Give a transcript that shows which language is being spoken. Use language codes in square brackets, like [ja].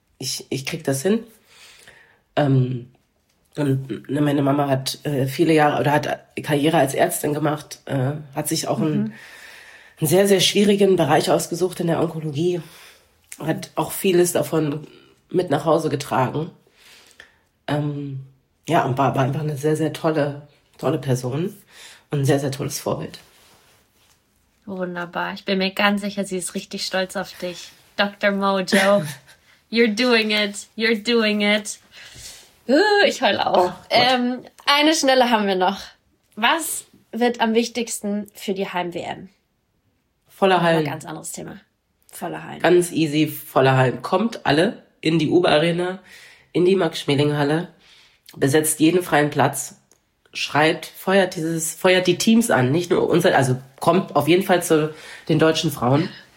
[de] Ich krieg das hin. Und meine Mama hat viele Jahre oder hat Karriere als Ärztin gemacht, hat sich auch einen sehr, sehr schwierigen Bereich ausgesucht in der Onkologie, hat auch vieles davon mit nach Hause getragen. Ja, und war einfach eine sehr, sehr tolle Person und ein sehr, sehr tolles Vorbild. Wunderbar. Ich bin mir ganz sicher, sie ist richtig stolz auf dich. Dr. [en] Mojo, you're doing it, you're doing it. [de] Ich heule auch. Oh, eine schnelle haben wir noch. Was wird am wichtigsten für die Heim-WM? Voller Hallen. Ganz anderes Thema. Voller Hallen. Ganz easy, voller Hallen. Kommt alle in die Uber-Arena, in die Max-Schmeling-Halle, besetzt jeden freien Platz, schreit, feuert die Teams an, nicht nur uns, also kommt auf jeden Fall zu den deutschen Frauen.